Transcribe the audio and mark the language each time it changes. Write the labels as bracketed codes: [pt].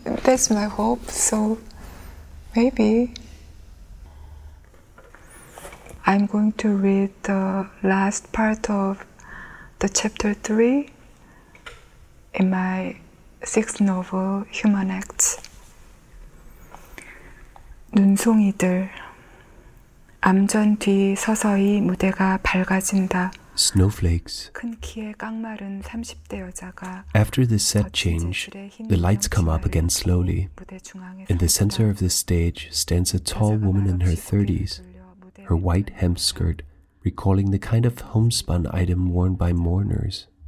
[en] That's my hope, so maybe. I'm going to read the last part of the chapter 3 in my sixth novel, Human Acts. [ko] 눈송이들, 암전 뒤 서서히 무대가 밝아진다. [en] Snowflakes. [ko] 큰 키에 깡마른 30대 여자가 [en] After this set change, the lights come up again slowly. In the center of the stage stands a tall woman in her 30s, her white hemp skirt, recalling the kind of homespun item worn by mourners.